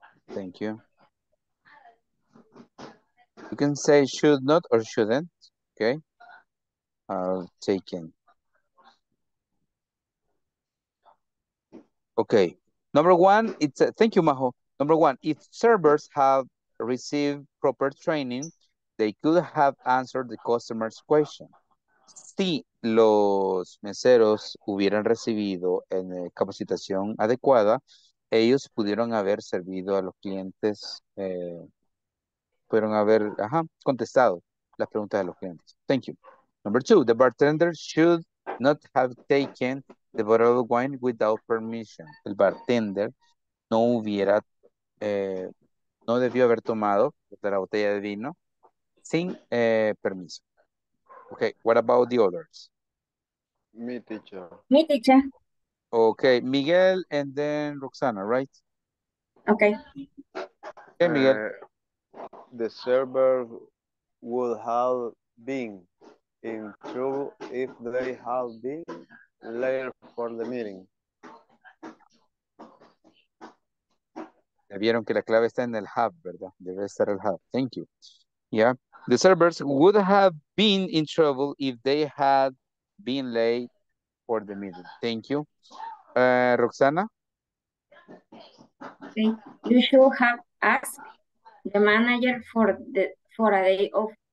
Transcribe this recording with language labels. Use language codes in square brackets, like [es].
[en] Thank you. You can say should not or shouldn't. Okay. Taken. Okay. Number one, it's thank you, Majo. Number one, if servers have received proper training, they could have answered the customer's question. [es] Si los meseros hubieran recibido capacitación adecuada, ellos pudieron haber servido a los clientes, pudieron haber contestado las preguntas de los clientes. [en] Thank you. Number two, the bartender should not have taken the bottle of wine without permission. [es] El bartender no hubiera no debió haber tomado de la botella de vino sin permiso. [en] Okay, what about the others? [es] Mi teacher. Mi teacher. [en] Okay, Miguel and then Roxana, right? Okay. Okay, Miguel. The server would have been in trouble if they had been late for the meeting. [es] Vieron que la clave está en el hub, ¿verdad? Debe estar el hub. [en] Thank you. Yeah. The servers would have been in trouble if they had been late for the meeting. Thank you. Roxana? You should have asked the manager for a day off.